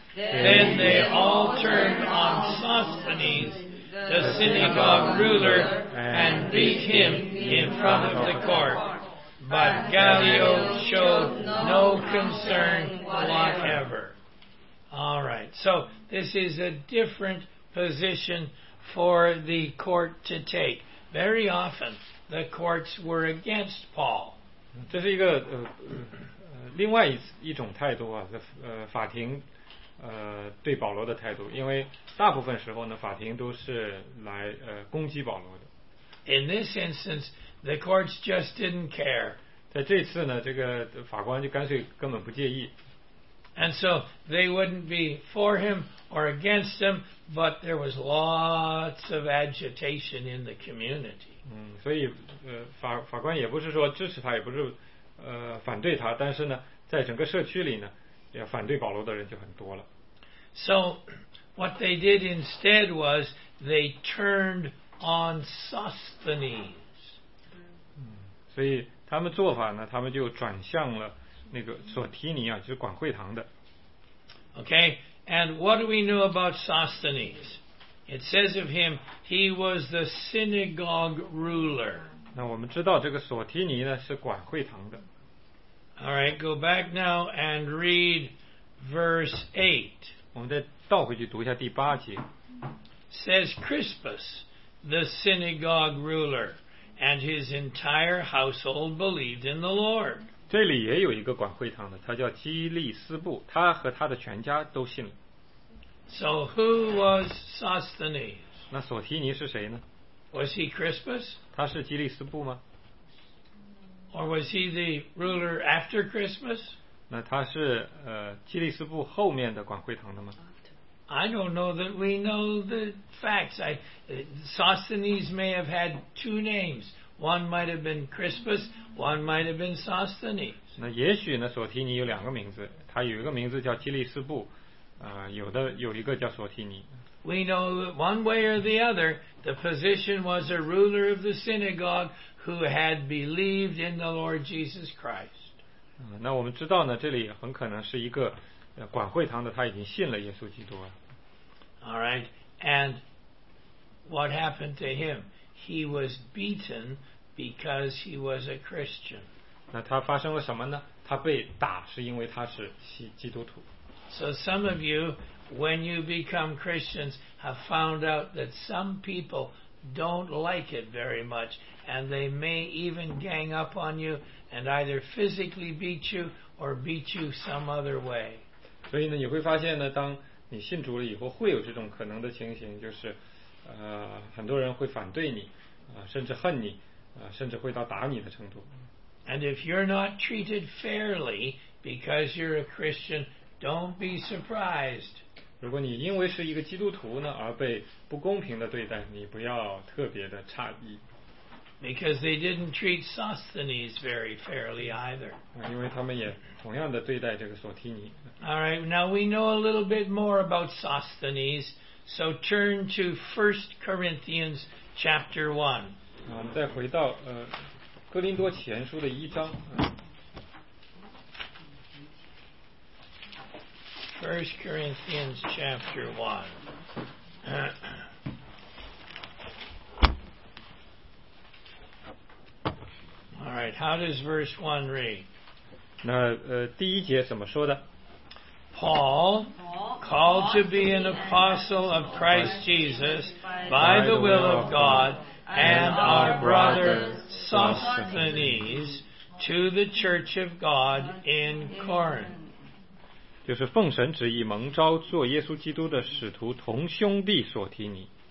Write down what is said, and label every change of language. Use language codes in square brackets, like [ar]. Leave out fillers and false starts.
[en] Then they all turned on Sosthenes, the synagogue ruler, and beat him in front of the court. But Gallio showed no concern whatever. All right, so this is a different position for the court to take. Very often, the courts were against Paul. [zh] 这是一个另外一种态度啊，法庭对保罗的态度，因为大部分时候呢，法庭都是来攻击保罗的。 [en] In this instance, the courts just didn't care. [zh] 在这次呢，这个法官就干脆根本不介意。 [en] And so they wouldn't be for him or against him, but there was lots of agitation in the community. [zh] 所以法官也不是说支持他，也不是反对他，但是呢，在整个社区里呢，要反对保罗的人就很多了。 [en] So what they did instead was they turned on Sosthenes. [zh] 所以他们做法呢，他们就转向了那个索提尼啊，就是管会堂的。 [en] Okay, and what do we know about Sosthenes? It says of him, he was the synagogue ruler. [zh] 那我们知道这个索提尼呢是管会堂的。 [en] All right, go back now and read verse 8. [zh] 我们再倒回去读一下第八节。 [en] Says Crispus, the synagogue ruler, and his entire household believed in the Lord. [zh] 这里也有一个管会堂的，他叫基利斯布，他和他的全家都信了。 [en] So who was Sosthenes? [zh] 那索提尼是谁呢？ [en] Was he Crispus? [zh] 他是基利斯布吗？ [en] Or was he the ruler after Crispus? [zh] 那他是基利斯布后面的管会堂的吗？ [en] I don't know that we know the facts. Sosthenes may have had two names. One might have been Crispus, one might have been Sosthenes. [zh] 那也许呢，索提尼有两个名字，他有一个名字叫基利斯布，有一个叫索提尼。 [en] We know that one way or the other, the position was a ruler of the synagogue who had believed in the Lord Jesus Christ. [zh] 那我们知道呢，这里很可能是一个管会堂的，他已经信了耶稣基督了。 [en] All right, and what happened to him? He was beaten because he was a Christian. [zh] 那他发生了什么呢？他被打是因为他是基督徒。 [en] So some of you, when you become Christians, have found out that some people don't like it very much, and they may even gang up on you and either physically beat you or beat you some other way. [zh] 所以呢，你会发现呢，当你信主了以后，会有这种可能的情形，就是，很多人会反对你，甚至恨你，甚至会到打你的程度。 [en] And if you're not treated fairly because you're a Christian, don't be surprised. [zh] 如果你因为是一个基督徒呢而被不公平的对待，你不要特别的诧异。 [en] Because they didn't treat Sosthenes very fairly either. [zh] 因为他们也同样的对待这个索提尼。 [en] All right, now we know a little bit more about Sosthenes, so turn to 1 Corinthians chapter 1. [zh] 我们再回到哥林多前书的一章。 [en] First Corinthians chapter 1. All right, how does verse 1 read? [zh] 那第一节怎么说的？ [en] Paul, called to be an apostle of Christ Jesus by the will of God, and our brother Sosthenes to the church of God in Corinth. [zh] 就是奉神旨意蒙召做耶稣基督的使徒同兄弟所提尼。